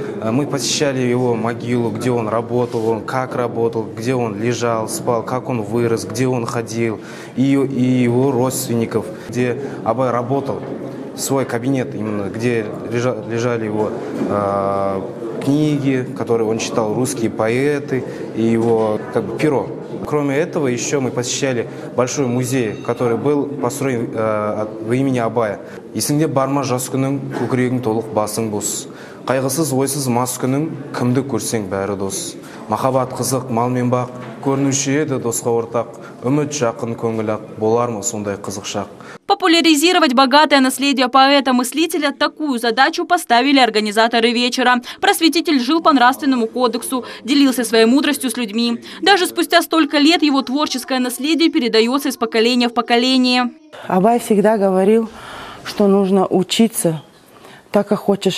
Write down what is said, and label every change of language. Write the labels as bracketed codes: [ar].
[ru] Мы посещали его могилу, где он работал, как работал, где он лежал, спал, как он вырос, где он ходил, и его родственников, где Абай работал, свой кабинет именно, где лежали его книги, которые он читал, русские поэты и его перо. Кроме этого, еще мы посещали большой музей, который был построен в имени Абая. [kk] «Есіңде барма жаскының, көкірегің толық басың бос. Қайғысыз ойсыз маскының, кімді көрсең бәрі дос. Махаббат қызық, мал мен бақ, көрінуші еді досқа ортақ. Үміт жақын көңіл ақ, болар ма сондай қызық шақ». [ru] Популяризировать богатое наследие поэта-мыслителя – такую задачу поставили организаторы вечера. Просветитель жил по нравственному кодексу, делился своей мудростью с людьми. Даже спустя столько лет его творческое наследие передается из поколения в поколение. Абай всегда говорил, что нужно учиться так, как хочешь.